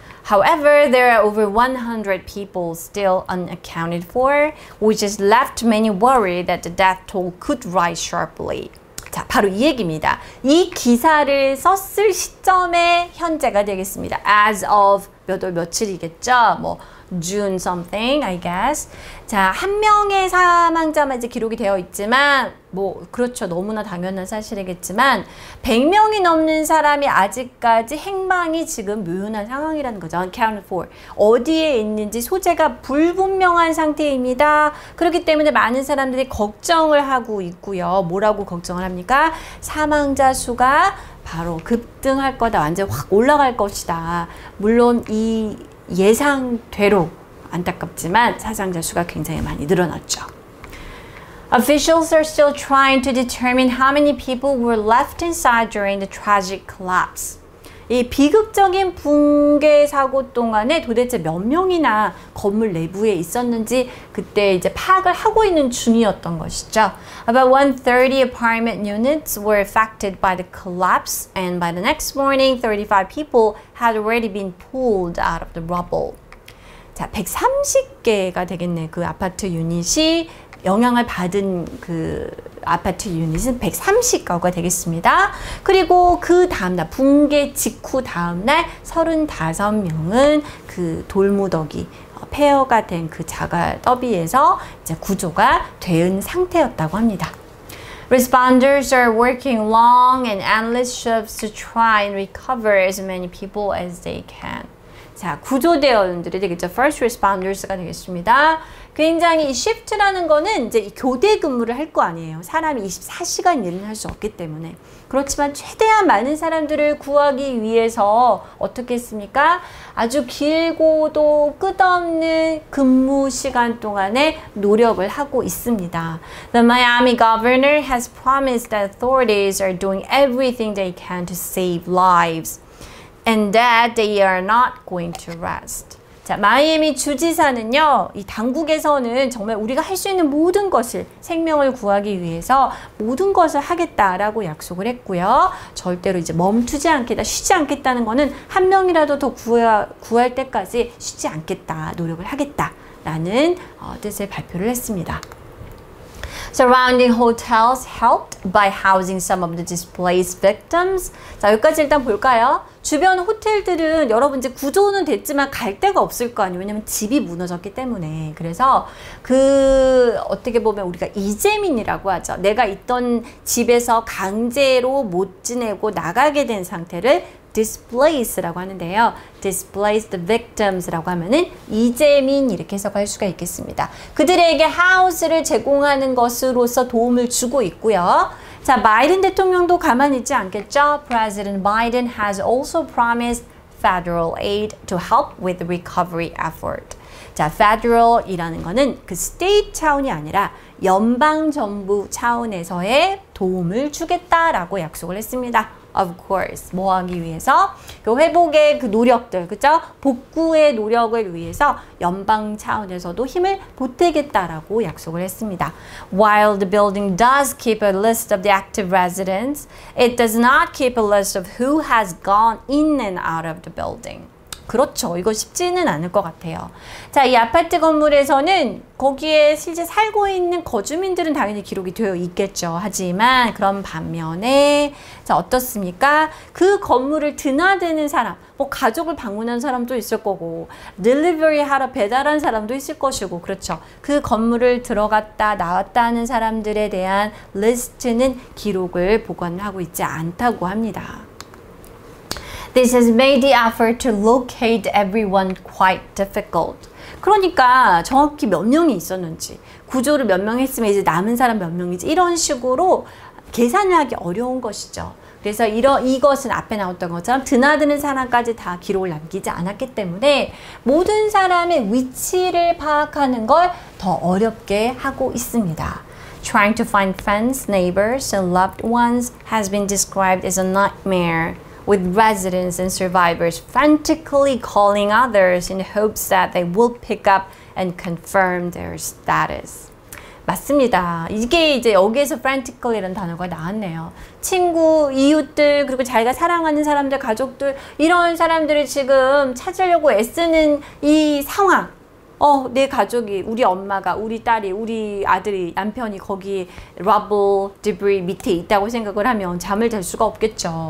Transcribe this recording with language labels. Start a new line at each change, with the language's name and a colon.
English: However, there are over 100 people still unaccounted for, which has left many worried that the death toll could rise sharply.
Korean: 자, 바로 이 얘기입니다. 이 기사를 썼을 시점에 현재가 되겠습니다.
English: As of
Korean: 몇 월 며칠이겠죠? 뭐
English: June something, I guess.
Korean: 자, 한 명의 사망자만 이제 기록이 되어 있지만 뭐 그렇죠. 너무나 당연한 사실이겠지만 100명이 넘는 사람이 아직까지 행방이 지금 묘연한 상황이라는 거죠.
English: Accounted for.
Korean: 어디에 있는지 소재가 불분명한 상태입니다. 그렇기 때문에 많은 사람들이 걱정을 하고 있고요. 뭐라고 걱정을 합니까? 사망자 수가 바로 급등할 거다. 완전 확 올라갈 것이다. 물론 이 예상대로 안타깝지만 사상자 수가 굉장히 많이 늘어났죠.
English: Officials are still trying to determine how many people were left inside during the tragic collapse.
Korean: 이 비극적인 붕괴 사고 동안에 도대체 몇 명이나 건물 내부에 있었는지 그때 이제 파악을 하고 있는 중이었던 것이죠.
English: About 130 apartment units were affected by the collapse and by the next morning 35 people had already been pulled out of the rubble.
Korean: 자, 130개가 되겠네. 그 아파트 유닛이 영향을 받은 그 아파트 유닛은 130가구가 되겠습니다. 그리고 그 다음날 붕괴 직후 다음날 35명은 그 돌무더기 폐허가 된 그 자가 더비에서 이제 구조가 된 상태였다고 합니다.
English: Responders are working long and endless shifts to try and recover as many people as they can.
Korean: 자, 구조대원들이 되겠죠. First responders가 되겠습니다. 굉장히 이 shift라는 거는 이제 교대 근무를 할 거 아니에요. 사람이 24시간 일을 할 수 없기 때문에. 그렇지만 최대한 많은 사람들을 구하기 위해서 어떻게 했습니까? 아주 길고도 끝없는 근무 시간 동안에 노력을 하고 있습니다.
English: The Miami governor has promised that authorities are doing everything they can to save lives. And that they are not going to rest.
Korean: 자, 마이애미 주지사는요, 이 당국에서는 정말 우리가 할 수 있는 모든 것을 생명을 구하기 위해서 모든 것을 하겠다라고 약속을 했고요. 절대로 이제 멈추지 않겠다, 쉬지 않겠다는 거는 한 명이라도 더 구할 때까지 쉬지 않겠다, 노력을 하겠다라는 뜻을 발표를 했습니다.
English: Surrounding hotels helped by housing some of the displaced victims.
Korean: 자, 여기까지 일단 볼까요? 주변 호텔들은 여러분 이제 구조는 됐지만 갈 데가 없을 거 아니에요. 왜냐면 집이 무너졌기 때문에. 그래서 그 어떻게 보면 우리가 이재민이라고 하죠. 내가 있던 집에서 강제로 못 지내고 나가게 된 상태를 displaced라고 하는데요. displaced victims라고 하면은 이재민 이렇게 해석할 수가 있겠습니다. 그들에게 하우스를 제공하는 것으로서 도움을 주고 있고요. 자, 바이든 대통령도 가만히 있지 않겠죠?
English: President Biden has also promised federal aid to help with the recovery effort.
Korean: 자, federal이라는 거는 그 state 차원이 아니라 연방 정부 차원에서의 도움을 주겠다라고 약속을 했습니다.
English: Of course,
Korean: 뭐 하기 위해서? 그 회복의 그 노력들, 그죠? 복구의 노력을 위해서 연방 차원에서도 힘을 보태겠다라고 약속을 했습니다.
English: While the building does keep a list of the active residents, it does not keep a list of who has gone in and out of the building.
Korean: 그렇죠. 이거 쉽지는 않을 것 같아요. 자, 이 아파트 건물에서는 거기에 실제 살고 있는 거주민들은 당연히 기록이 되어 있겠죠. 하지만 그런 반면에 자, 어떻습니까? 그 건물을 드나드는 사람, 뭐 가족을 방문한 사람도 있을 거고 딜리버리 하러 배달한 사람도 있을 것이고 그렇죠. 그 건물을 들어갔다 나왔다 하는 사람들에 대한 리스트는 기록을 보관하고 있지 않다고 합니다.
English: This has made the effort to locate everyone quite difficult.
Korean: 그러니까 정확히 몇 명이 있었는지, 구조를 몇 명 했으면 이제 남은 사람 몇 명이지 이런 식으로 계산을 하기 어려운 것이죠. 그래서 이것은 앞에 나왔던 것처럼 드나드는 사람까지 다 기록을 남기지 않았기 때문에 모든 사람의 위치를 파악하는 걸 더 어렵게 하고 있습니다.
English: Trying to find friends, neighbors, and loved ones has been described as a nightmare. With residents and survivors frantically calling others in hopes that they will pick up and confirm their status.
Korean: 맞습니다. 이게 이제 여기에서 frantically라는 단어가 나왔네요. 친구, 이웃들, 그리고 자기가 사랑하는 사람들, 가족들 이런 사람들을 지금 찾으려고 애쓰는 이 상황. 내 가족이, 우리 엄마가, 우리 딸이, 우리 아들이, 남편이 거기 rubble, debris 밑에 있다고 생각을 하면 잠을 잘 수가 없겠죠.